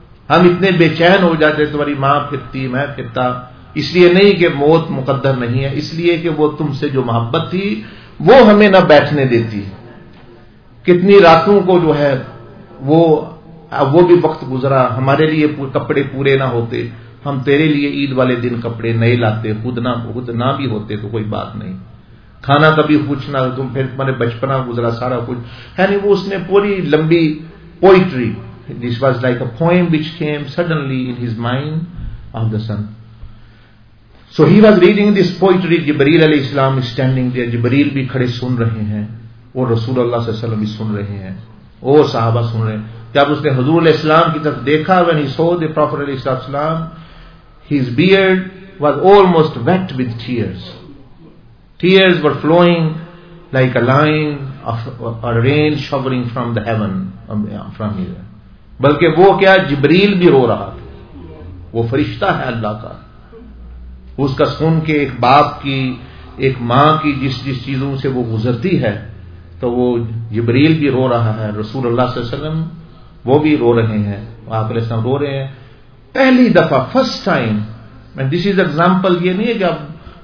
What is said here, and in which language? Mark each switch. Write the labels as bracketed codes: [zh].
[ur] ہم اتنے بے چین ہو جاتے, تمہاری ماں پھرتی میں پھرتا, اس لیے نہیں کہ موت مقدر نہیں ہے, اس لیے کہ وہ تم سے جو محبت تھی وہ ہمیں نہ بیٹھنے دیتی. کتنی راتوں کو جو ہے وہ بھی وقت گزرا, ہمارے لیے کپڑے پورے نہ ہوتے, ہم تیرے لیے عید والے دن کپڑے نئے لاتے, خود نہ بھی ہوتے تو کوئی بات نہیں, کھانا کبھی پوچھنا, تم پھر تمہارے بچپنا گزرا سارا کچھ. یعنی وہ اس نے پوری لمبی poetry, [en] This was like a poem which came suddenly in his mind of the sun. So he was reading this poetry, [ur] جبریل علیہ السلام [en] standing there, [ur] جبریل بھی کھڑے سن رہے ہیں, اور رسول اللہ صلی اللہ علیہ وسلم بھی سن رہے ہیں, اور صحابہ سن رہے ہیں. جب اس نے حضور علیہ السلام کی طرف دیکھا, [en] when he saw the Prophet علیہ السلام, his beard was almost wet with tears. Tears were flowing like a line of a rain showering from the heaven, from here. [ur] بلکہ وہ کیا, جبریل بھی رو رہا تھا, وہ فرشتہ ہے اللہ کا, اس کا سن کے ایک باپ کی, ایک ماں کی جس چیزوں سے وہ گزرتی ہے, تو وہ جبریل بھی رو رہا ہے, رسول اللہ صلی اللہ علیہ وسلم وہ بھی رو رہے ہیں, آپ علیہ السلام رو رہے ہیں پہلی دفعہ, [en] First time. This is example, [ur] یہ نہیں ہے کہ آپ